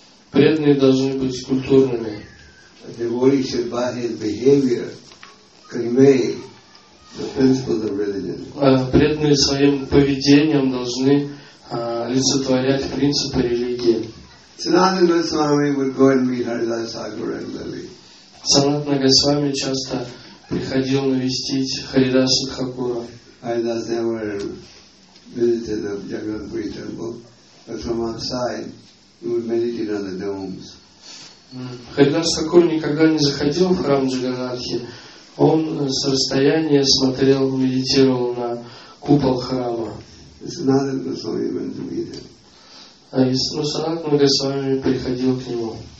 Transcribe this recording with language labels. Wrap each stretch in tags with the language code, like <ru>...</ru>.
<ru>Преданные должны быть культурными.</ru> <en>Convey the principles of religion.</en> <ru>Преданные своим поведением должны олицетворять принципы религии.</ru> <en>Sanatana Goswami would go and meet Haridas Thakur regularly.</en> <ru>Sanatana Goswami часто приходил навестить Харидаса Тхакура.</ru> <en>Haridas never visited the Jagannathpuri temple, but from outside he would meditate on the domes.</en> <ru>Харидас Тхакур никогда не заходил в храм Джаганнатхи. Он с расстояния смотрел, медитировал на купол храма. Но Санатана Госвами приходил к нему.</ru>